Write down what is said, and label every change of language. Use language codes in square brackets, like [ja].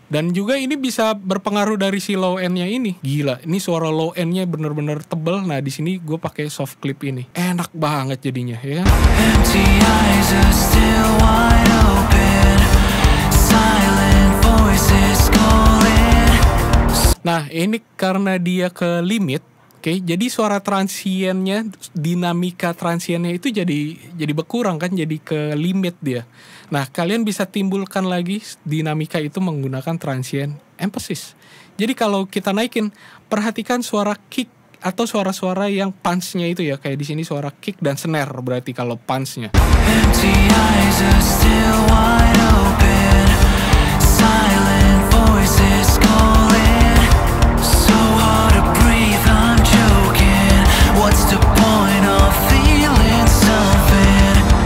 [id] Dan juga ini bisa berpengaruh dari si low endnya ini. Gila, ini suara low endnya benar-benar tebel. Nah, di sini gue pakai soft clip ini. Enak banget jadinya ya. [en] Empty eyes are still wide open. Silent voices calling. [id] Nah, ini karena dia ke limit. Oke, jadi suara transiennya, dinamika transiennya itu jadi berkurang kan, jadi ke limit dia. Nah, kalian bisa timbulkan lagi dinamika itu menggunakan transient emphasis. Jadi kalau kita naikin, perhatikan suara kick atau suara-suara yang punch-nya itu ya, kayak di sini suara kick dan snare berarti kalau punch-nya. [en] Empty eyes are still wide open. Silent voices calling. So hard to breathe, I'm choking. What's the point of feeling something?